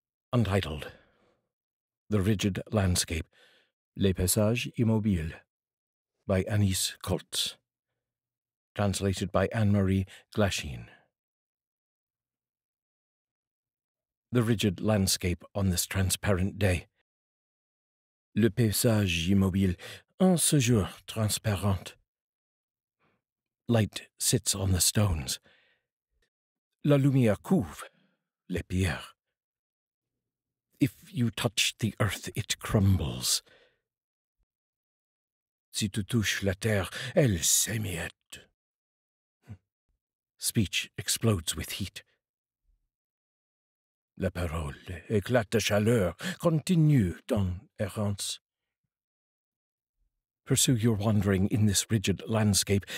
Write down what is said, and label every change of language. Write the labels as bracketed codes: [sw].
[en] Untitled. The Rigid Landscape. Les Passages Immobiles. By Anise Koltz. Translated by Anne-Marie Glasheen. The rigid landscape on this transparent day. [fr] Le paysage immobile en ce jour transparent. [en] Light sits on the stones. [fr] La lumière couvre les pierres. [en] If you touch the earth, it crumbles. [fr] Si tu touches la terre, elle s'émiette. [en] Speech explodes with heat. [fr] La parole, éclate de chaleur, continue ton errance. [en] Pursue your wandering in this rigid landscape.